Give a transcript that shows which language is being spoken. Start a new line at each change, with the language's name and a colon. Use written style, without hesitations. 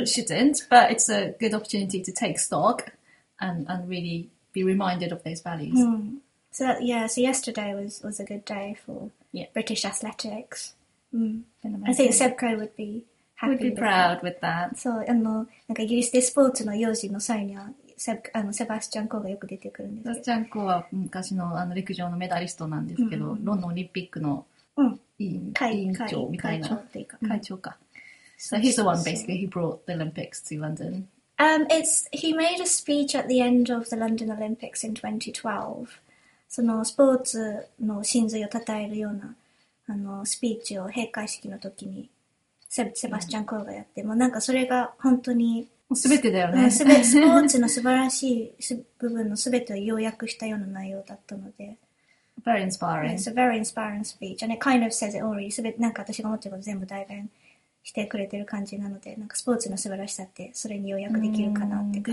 English: It shouldn't, but it's a good opportunity to take stock and really be reminded of those values. Mm. So yesterday was a good day for British athletics. Mm. I think Seb Crowe would be happy. Would be proud with that. So, and no, like, you use this sport and you use the sign, yeah.
Japanese: セバスチャン・コーがよく出てくるんですけど、セバスチャン・コーは昔 の, あの陸上のメダリストなんですけど、うん、ロンドンオリンピックの委員長みたいな、会長っていうか、会長か。
English: So he's the one, basically, he brought the Olympics to London. He made a speech at the end of the London Olympics in 2012.
Japanese: そのスポーツの真髄を称えるようなあのスピーチを閉会式の時にセバスチャン・コーがやって、うん、もうなんかそれが本当に全てだよね、うん、スポーツの素晴らしい部分の全てを要約したような内容だったので
English: Very inspiring. It's a very inspiring speech and it kind of says it already.
Japanese: 全てなんか私が思ってること全部代弁してくれてる感じなので、なんかスポーツの素晴らしさってそれに要約できるかなって感じ。